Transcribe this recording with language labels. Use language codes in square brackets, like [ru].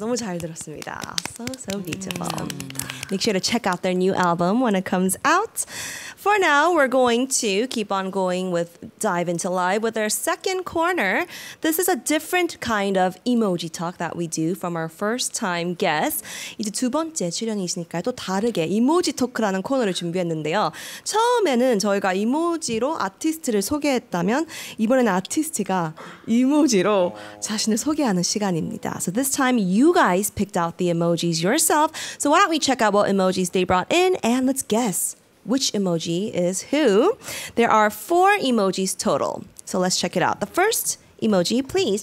[ko] 너무 잘 들었습니다. [en] So, so beautiful. [ko] Mm. [en] Make sure to check out their new album when it comes out. For now, we're going to keep on going with Dive Into Live with our second corner. This is a different kind of emoji talk that we do from our first time guest. [ko] 이제 두 번째 출연이시니까 또 다르게 이모지 토크라는 코너를 준비했는데요. 처음에는 저희가 이모지로 아티스트를 소개했다면 이번에는 아티스트가 이모지로 자신을 소개하는 시간입니다. [en] So this time you guys picked out the emojis yourself. So why don't we check out what emojis they brought in and let's guess which emoji is who. There are four emojis total. So let's check it out. The first emoji, please.